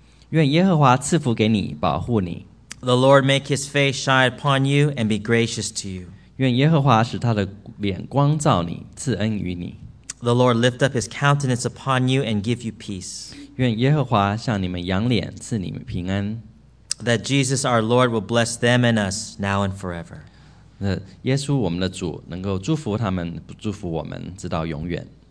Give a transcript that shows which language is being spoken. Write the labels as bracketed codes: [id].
[zh] 愿耶和华赐福给你，保护你。 [en] The Lord make his face shine upon you and be gracious to you. [zh] 愿耶和华使他的脸光照你，赐恩于你。 [en] The Lord lift up his countenance upon you and give you peace. [zh] 愿耶和华向你们扬脸，赐你们平安。 [en] That Jesus our Lord will bless them and us now and forever. [zh] 那耶稣我们的主能够祝福他们，祝福我们，直到永远。